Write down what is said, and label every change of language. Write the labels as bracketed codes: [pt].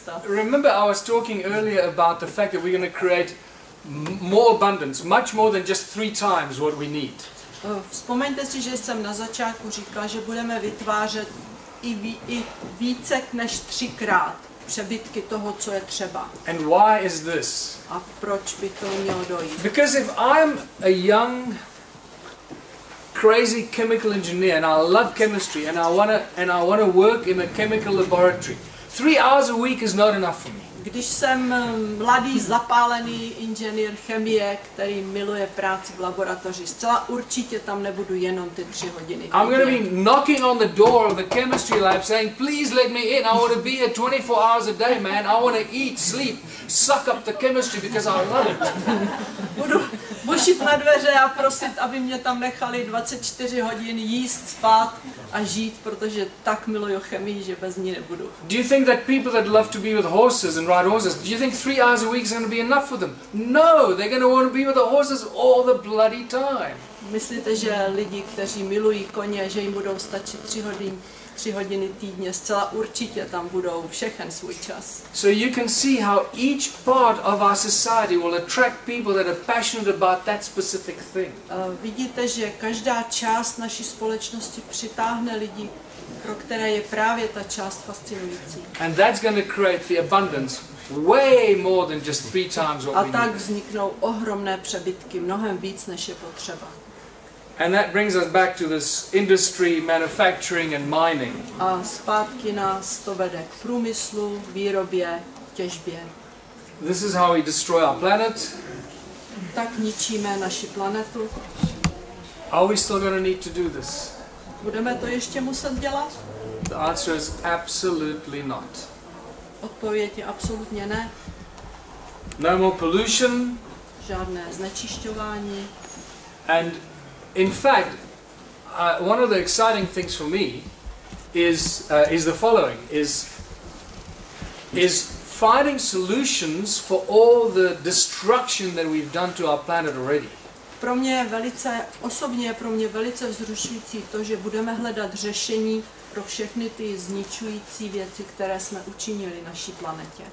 [en] remember, I was talking earlier about the fact that we're going to create more abundance, much more than just 3 times what we need. [cs] Vzpomeňte si, že jsem na začátku říkal, že budeme vytvářet i více než 3x přebytky toho, co je třeba. [en] And why is this? [cs] A proč by to mělo dojít? [en] Because if I'm a young crazy chemical engineer and I love chemistry and I want to work in a chemical laboratory, 3 hours a week is not enough for me. [cs] Když jsem mladý zapálený inženýr chemie, který miluje práci v laboratoři, zcela určitě tam nebudu jenom ty 3 hodiny. [en] I'm going to be knocking on the door of the chemistry lab saying, "Please let me in. I want to be here 24 hours a day, man. I want to eat, sleep, suck up the chemistry because I love it." [cs] bušit na dveře a prosit, aby mě tam nechali 24 hodin jíst, spát a žít, protože tak miluju chemii, že bez ní nebudu. [en] Do you think that people that love to be with horses and ride horses, do you think 3 hours a week is going to be enough for them? No, they're going to want to be with the horses all the bloody time. [cs] Myslíte, že lidi, kteří milují koně, že jim budou stačit 3 hodiny týdně, zcela určitě tam budou všechen svůj čas. [en] So you can see how each part of our society will attract people that are passionate about that specific thing. [cs] Vidíte, že každá část naší společnosti přitáhne lidi, pro které je právě ta část fascinující. [en] And that's going to create the abundance way more than just 3 times what we need. [cs] A tak vzniknou ohromné přebytky, mnohem víc než je potřeba. [en] And that brings us back to this industry, manufacturing and mining. [cs] A zpátky nás to vede k průmyslu, výrobě, těžbě. [en] This is how we destroy our planet. [cs] Tak ničíme naši planetu. [en] Are we still going to need to do this? [cs] Budeme to ještě muset dělat? [en] The answer is absolutely not. [cs] Odpověď je absolutně ne. [en] No more pollution. [cs] Žádné znečišťování. [en] And in fact, one of the exciting things for me is the following, is finding solutions for all the destruction that we've done to our planet already. [cs] Pro mě je velice, osobně je pro mě velice vzrušující to, že budeme hledat řešení pro všechny ty zničující věci, které jsme učinili naší planetě.